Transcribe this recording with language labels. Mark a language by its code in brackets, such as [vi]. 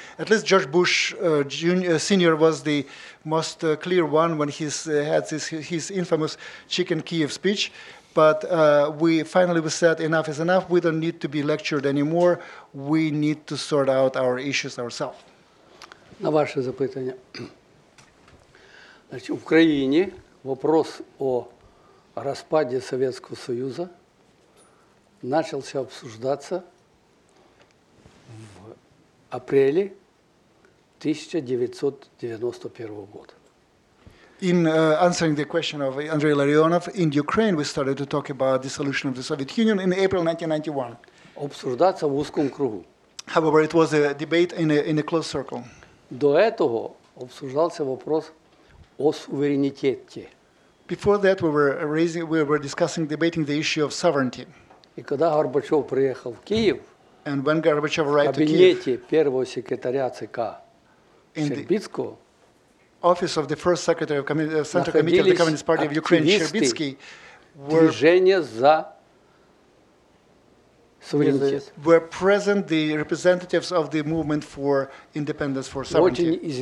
[en] At least George Bush Sr. was the most clear one when he had his infamous Chicken Kiev speech. But we said enough is enough. We don't need to be lectured anymore. We need to sort out our issues ourselves. [uk] На ваше запитання. Значить, в Україні вопрос о розпаді Совєтського Союзу начався обсуждаться в апрелі 1991 года. [en] In answering the question of Andrei Larionov, in Ukraine we started to talk about dissolution of the Soviet Union in April 1991. [ru] Обсуждаться в узкому кругу. [en] However, it was a debate in a closed circle. [ru] До этого обсуждался вопрос о суверенитете. [en] Before that, we were discussing the issue of sovereignty. [ru] И когда Горбачев приехал в Киев, [en] and when Gorbachev arrived [ru] в кабинете первого секретаря ЦК Щербицкого, [en] office of the first secretary of Central Committee of the Communist Party of Ukraine, Щербицкий, were present the representatives of the movement for independence, for sovereignty.